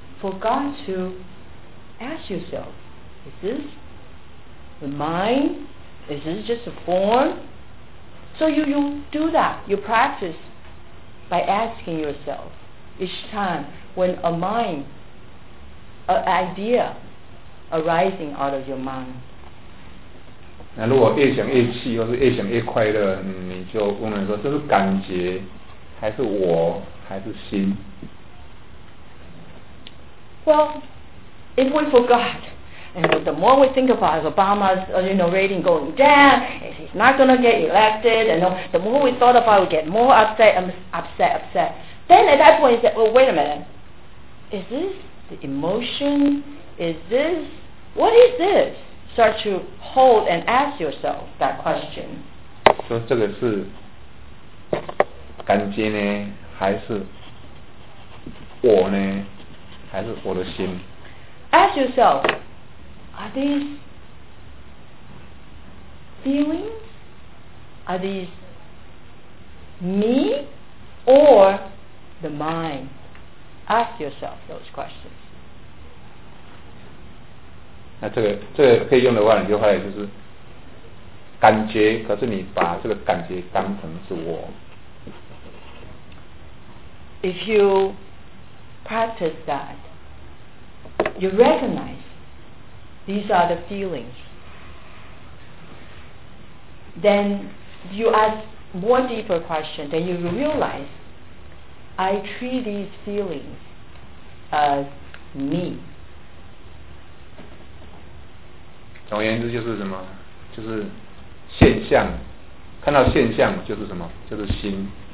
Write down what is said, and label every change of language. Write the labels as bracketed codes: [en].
[en] for God to ask yourself, is this the mind? Is this just a form? So you do that. You practice by asking yourself each time when a mind, an idea arising out of your mind. [zh] 那如果越想越气，或是越想越快乐，你就问人说：这是感觉，还是我，还是心？ [en] Well, if we forgot, and the more we think about Obama's, you know, rating going down, he's not going to get elected, and the more we thought about, we get more upset. Then at that point, you say, well, wait a minute, is this the emotion? What is this? Start to hold and ask yourself that question. [zh] 说这个是感觉呢，还是我呢，还是我的心？ [en] Ask yourself, are these feelings? Are these me or the mind? Ask yourself those questions. [zh] 那这个可以用的话，你就后来就是感觉，可是你把这个感觉当成是我。 [en] If you practice that, you recognize these are the feelings. Then you ask more deeper question. Then you realize I treat these feelings as me. [zh] 总而言之就是什么，就是现象，看到现象就是什么，就是心。